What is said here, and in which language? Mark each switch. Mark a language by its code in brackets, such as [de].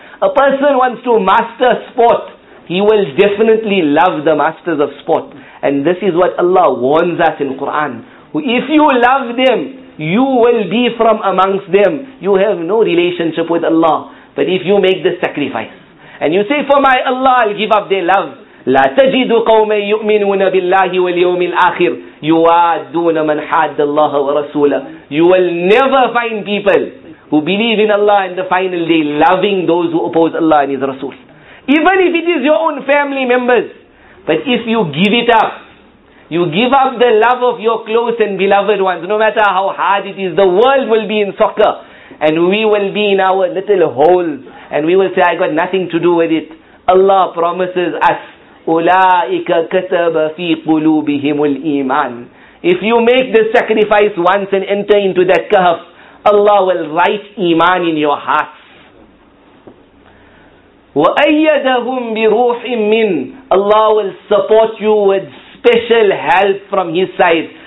[en] A person wants to master sport. He will definitely love the masters of sport. And this is what Allah warns us in Quran. If you love them, you will be from amongst them. You have no relationship with Allah. But if you make the sacrifice, and you say, for my Allah, I'll give up their love. [ar] لا تجد قوما يؤمنون بالله واليوم الآخر يوادون من حاد الله ورسوله. [en] You will never find people who believe in Allah and the final day loving those who oppose Allah and His Rasul. Even if it is your own family members. But if you give it up, you give up the love of your close and beloved ones, no matter how hard it is, the world will be in soccer. And we will be in our little holes. And we will say, I got nothing to do with it. Allah promises us, [ar] أُولَٰئِكَ كَتَبَ فِي قُلُوبِهِمُ الْإِيمَانِ. [en] If you make the sacrifice once and enter into that kahf, Allah will write iman in your heart. [ar] وَأَيَّدَهُمْ بِرُوحٍ مِّنْ. [en] Allah will support you with special help from His side.